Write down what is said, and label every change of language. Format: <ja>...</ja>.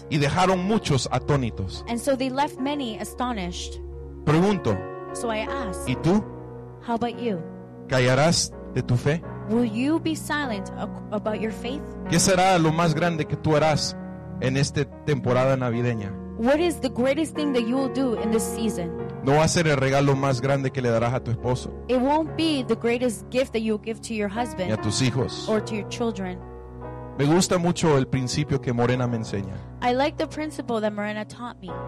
<es>Y dejaron muchos atónitos.</es> <en>And so they left many astonished.</en> <es>Pregunto.</es> <en>So I ask.</en> <es>¿Y tú?</es> <en>How about you?</en> <es>¿Callarás de tu fe?</es> <en>Will you be silent about your faith?</en> <es>¿Qué será lo más grande que tú harás en esta temporada navideña?</es> <en>What is the greatest thing that you will do in this season?</en> <es>No va a ser el regalo más grande que le darás a tu esposo.</es> <en>It won't be the greatest gift that you'll give to your husband.</en> <es>Ni a tus hijos.</es> <en>Or to your children.</en> <es>Me gusta mucho el principio que Morena me enseña.</es> <en>I like the principle that Morena taught me.</en>